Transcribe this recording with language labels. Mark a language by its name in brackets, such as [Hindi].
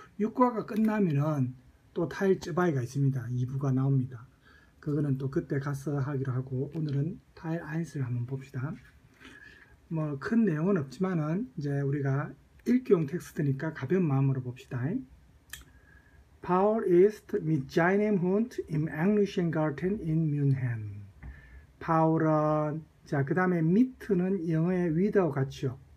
[Korean] 6과가 끝나면은 또 타일즈 바이가 있습니다. 2부가 나옵니다. 그거는 또 그때 가서 하기로 하고, 오늘은 타일 아인스를 한번 봅시다. 뭐큰 내용은 없지만은 이제 우리가 읽기용 텍스트니까 가벼운 마음으로 봅시다. [German] Paul ist mit seinem Hund im Englischen Garten in München. [Korean] Paul은, 자, 그 다음에 mit는 영어의 with와 같죠.